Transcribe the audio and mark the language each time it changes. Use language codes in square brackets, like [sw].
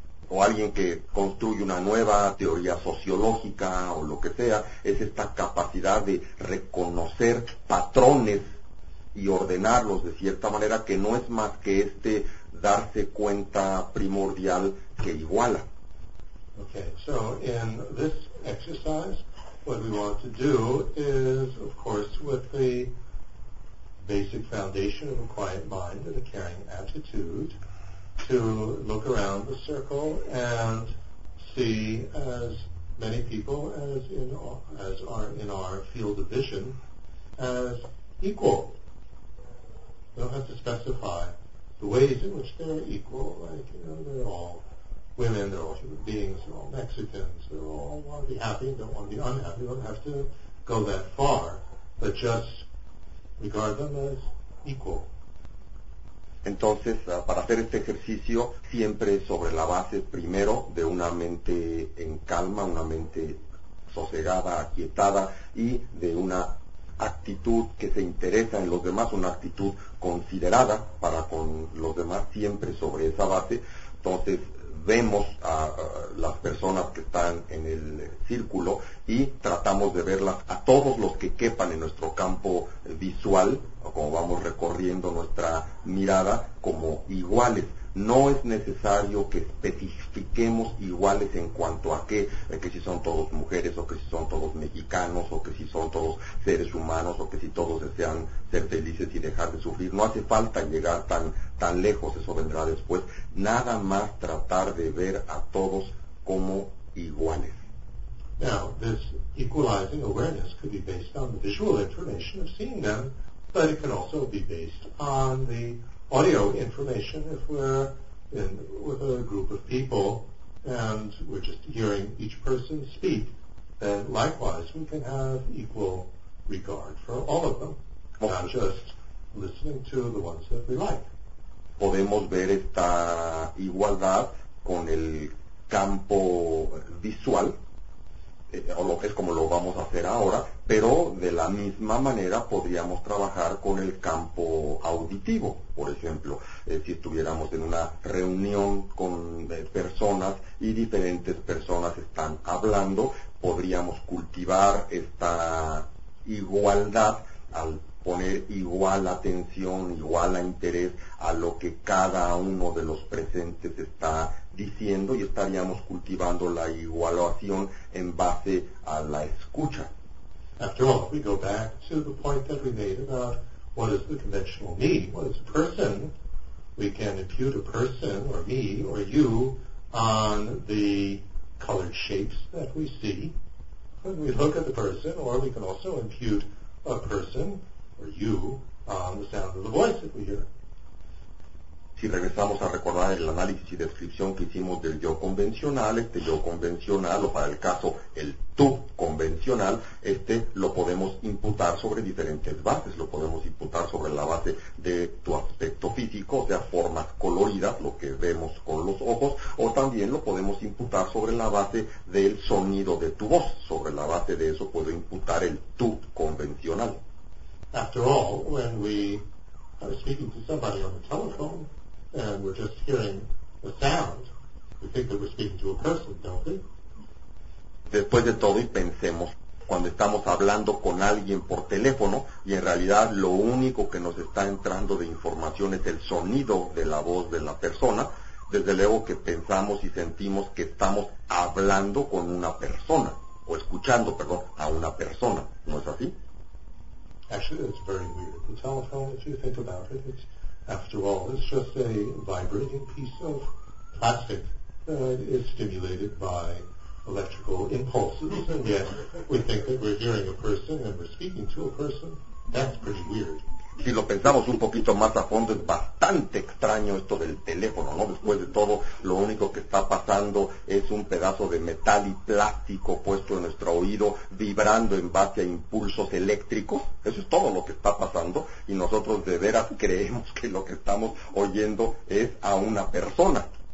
[es] O alguien que construye una nueva teoría sociológica o lo que sea, es esta capacidad de reconocer patrones y ordenarlos de cierta manera, que no es más que este darse cuenta primordial que iguala. [en] Okay, so in this exercise, what we want to do is, of course, with the basic foundation of a quiet mind and a caring attitude, to look around the circle and see as many people as are in our field of vision as equal. We don't have to specify the ways in which they're equal, like, you know, they're all women, they're all human beings, they're all Mexicans, they're all want to be happy, don't want to be unhappy, we don't have to go that far, but just regard them as equal. [es] Entonces, para hacer este ejercicio, siempre sobre la base, primero, de una mente en calma, una mente sosegada, aquietada, y de una actitud que se interesa en los demás, una actitud considerada para con los demás, siempre sobre esa base. Entonces, vemos a las personas que están en el círculo y tratamos de verlas a todos los que quepan en nuestro campo visual, o como vamos recorriendo nuestra mirada, como iguales. No es necesario que especifiquemos iguales en cuanto a qué, que si son todos mujeres, o que si son todos mexicanos, o que si son todos seres humanos, o que si todos desean ser felices y dejar de sufrir. No hace falta llegar tan lejos, eso vendrá después. Nada más tratar de ver a todos como iguales. [en] Now, this equalizing awareness could be based on the visual information of seeing them, but it can also be based on the audio information if we're in with a group of people and we're just hearing each person speak, then likewise we can have equal regard for all of them, not just listening to the ones that we like. [es] Podemos ver esta igualdad con el campo visual, es como lo vamos a hacer ahora, pero de la misma manera podríamos trabajar con el campo auditivo. Por ejemplo, si estuviéramos en una reunión con personas y diferentes personas están hablando, podríamos cultivar esta igualdad al poner igual atención, igual interés a lo que cada uno de los presentes está diciendo, y estaríamos cultivando la igualación en base a la escucha. [en] After all, we go back to the point that we made about what is the conventional me, what is a person. We can impute a person, or me, or you, on the colored shapes that we see when we look at the person, or we can also impute a person, or you, on the sound of the voice that we hear. [es] Si regresamos a recordar el análisis y descripción que hicimos del yo convencional, este yo convencional, o para el caso, el tú convencional, este lo podemos imputar sobre diferentes bases. Lo podemos imputar sobre la base de tu aspecto físico, o sea, formas coloridas, lo que vemos con los ojos, o también lo podemos imputar sobre la base del sonido de tu voz. Sobre la base de eso puedo imputar el tú convencional. [en] After all, when we are speaking to somebody on the telephone and we're just hearing a sound, we think that we're speaking to a person, don't we? [es] Después de todo, y pensemos, cuando estamos hablando con alguien por teléfono y en realidad lo único que nos está entrando de información es el sonido de la voz de la persona, desde luego que pensamos y sentimos que estamos hablando con una persona, o escuchando, perdón, a una persona, ¿no es así? [en] Actually, that's very weird. The telephone, if you think about it, it's, after all, it's just a vibrating piece of plastic that is stimulated by electrical impulses, and yet we think that we're hearing a person and we're speaking to a person. That's pretty weird. [es] Si lo pensamos un poquito más a fondo, es bastante extraño esto del teléfono, ¿no? Después de todo, lo único que está pasando es un pedazo de metal y plástico puesto en nuestro oído, vibrando en base a impulsos eléctricos. Eso es todo lo que está pasando, y nosotros de veras creemos que lo que estamos oyendo es a una persona.